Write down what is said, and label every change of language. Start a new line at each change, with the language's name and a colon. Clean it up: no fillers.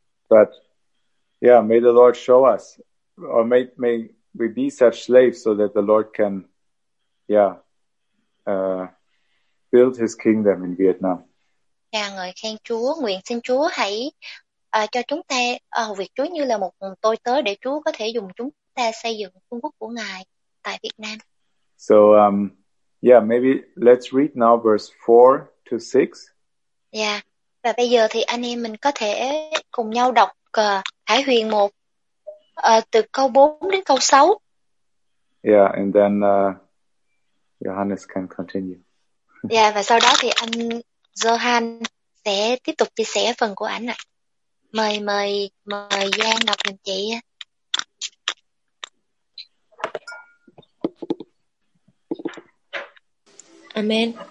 English: But yeah, may the Lord show us, or may we be such slaves so that the Lord can build his kingdom in Vietnam.
Vietnamese: Yeah, ngợi khen Chúa, nguyện xin Chúa hãy cho chúng ta việc Chúa như là một tôi tớ để Chúa có thể dùng chúng ta xây dựng vương quốc của Ngài tại Việt Nam.
English: So maybe let's read now verse 4 to 6. Yeah.
Vietnamese: Và bây giờ thì anh em mình có thể cùng nhau đọc Hải Huyền 1 từ câu 4 đến câu 6.
English: Yeah, and then Johannes can continue.
Vietnamese: Yeah, và sau đó thì anh Johan sẽ tiếp tục chia sẻ phần của anh ạ. Mời Giang đọc giùm chị.
English: Amen.